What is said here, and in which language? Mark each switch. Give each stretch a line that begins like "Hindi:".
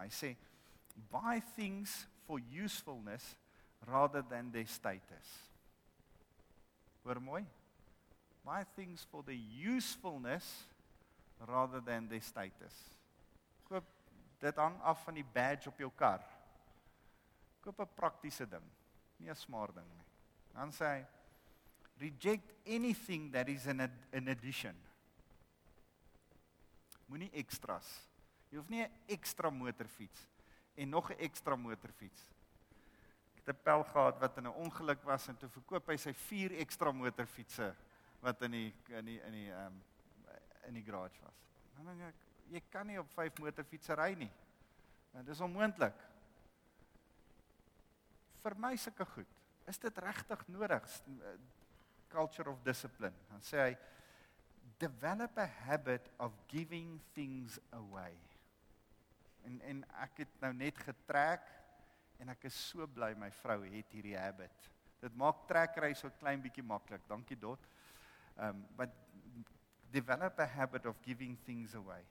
Afrikaans: Hy sê
English: buy things for usefulness rather than their status.
Afrikaans: Hoor mooi.
English: Buy things for the usefulness rather than their status.
Afrikaans: Koop, dit hang af van die badge op jou kar. Koop 'n praktiese ding, nie 'n smaar ding nie. Dan sê hy,
English: reject anything that is an addition.
Afrikaans: Moenie extras. Jy hoef nie 'n ekstra motorfiets en nog 'n ekstra motorfiets. Ek het 'n pel gehad wat in 'n ongeluk was en toe verkoop hy sy 4 ekstra motorfietse wat in die garage was. Dan dink ek, jy kan nie op 5 motorfietse ry nie. Dit is onmoontlik. Vir my sulke goed, is dit regtig nodig?
English: Culture of discipline.
Afrikaans: Dan sê hy,
English: develop a habit of giving things away.
Afrikaans: En ek het nou net getrek, en ek is so bly my vrou het hierdie habit. Dit maak trekry so klein bietjie maklik. Dankie Dot.
English: But develop a habit of giving things away.